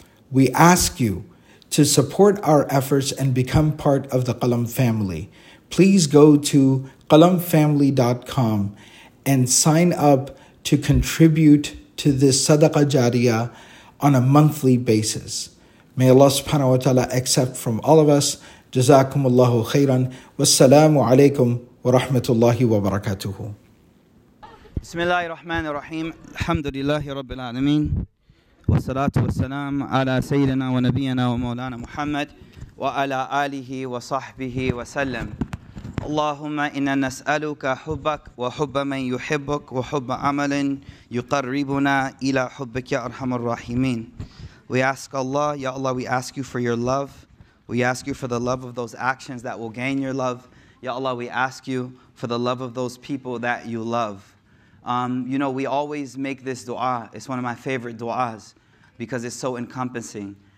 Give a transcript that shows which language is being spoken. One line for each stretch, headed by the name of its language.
English: We ask you to support our efforts and become part of the Qalam family. Please go to qalamfamily.com and sign up to contribute to this Sadaqah Jariyah on a monthly basis. May Allah subhanahu wa ta'ala accept from all of us.
Arabic: جزاكم الله خيرا والسلام عليكم ورحمة الله وبركاته. بسم الله الرحمن الرحيم الحمد لله رب العالمين والصلاة والسلام على سيدنا ونبينا ومولانا محمد وعلى آله وصحبه وسلم. اللهم إنا نسألك حبك وحب من يحبك وحب عمل يقربنا إلى حبك يا أرحم الراحمين.
English: We ask Allah, Ya Allah, we ask you for your love. We ask you for the love of those actions that will gain your love. Ya Allah, we ask you for the love of those people that you love. You know, we always make this dua. It's one of my favorite duas because it's so encompassing.